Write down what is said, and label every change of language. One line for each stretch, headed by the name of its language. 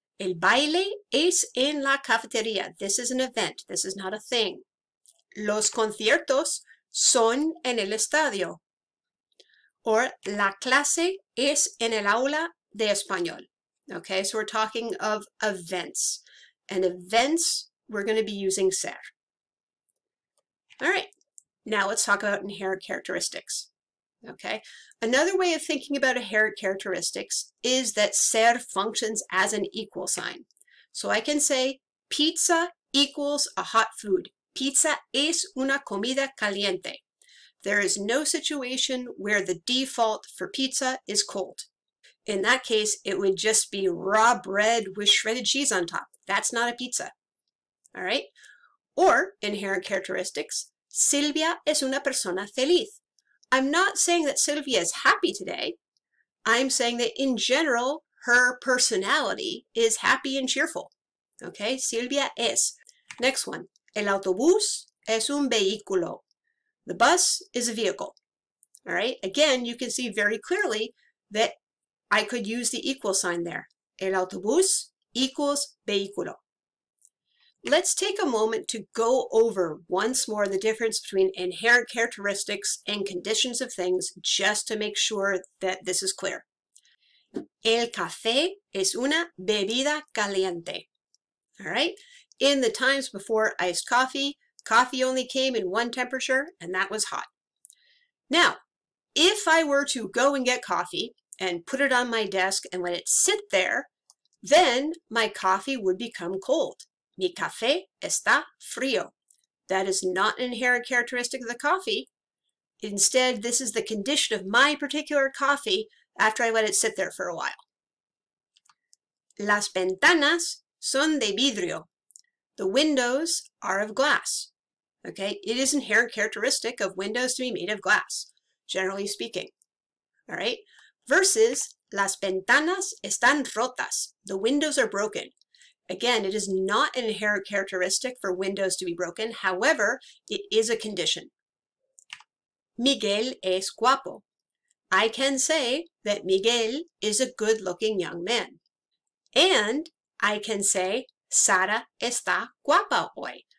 Spanish: El baile es en la cafetería.
English: This is an event. This is not a thing.
Spanish: Los conciertos son en el estadio. Or la clase es en el aula de español.
English: Okay, so we're talking of events. And events, we're going to be using ser. All right, now let's talk about inherent characteristics. Okay, another way of thinking about inherent characteristics is that ser functions as an equal sign. So I can say pizza equals a hot food.
Spanish: Pizza es una comida caliente.
English: There is no situation where the default for pizza is cold. In that case, it would just be raw bread with shredded cheese on top. That's not a pizza. All right? Or inherent characteristics,
Spanish: Silvia es una persona feliz.
English: I'm not saying that Silvia is happy today. I'm saying that in general, her personality is happy and cheerful. Okay?
Spanish: Silvia es.
English: Next one.
Spanish: El autobús es un vehículo.
English: The bus is a vehicle. All right? Again, you can see very clearly that I could use the equal sign there. El autobús equals vehículo. Let's take a moment to go over once more the difference between inherent characteristics and conditions of things, just to make sure that this is clear.
Spanish: El café es una bebida caliente.
English: All right? In the times before iced coffee, coffee only came in one temperature, and that was hot. Now, if I were to go and get coffee and put it on my desk and let it sit there, then my coffee would become cold.
Spanish: Mi café está frío.
English: That is not an inherent characteristic of the coffee. Instead, this is the condition of my particular coffee after I let it sit there for a while.
Spanish: Las ventanas son de vidrio.
English: The windows are of glass. Okay, it is an inherent characteristic of windows to be made of glass, generally speaking. All right, versus
Spanish: las ventanas están rotas.
English: The windows are broken. Again, it is not an inherent characteristic for windows to be broken. However, it is a condition.
Spanish: Miguel es guapo.
English: I can say that Miguel is a good-looking young man. And I can say Sara
Spanish: está guapa hoy.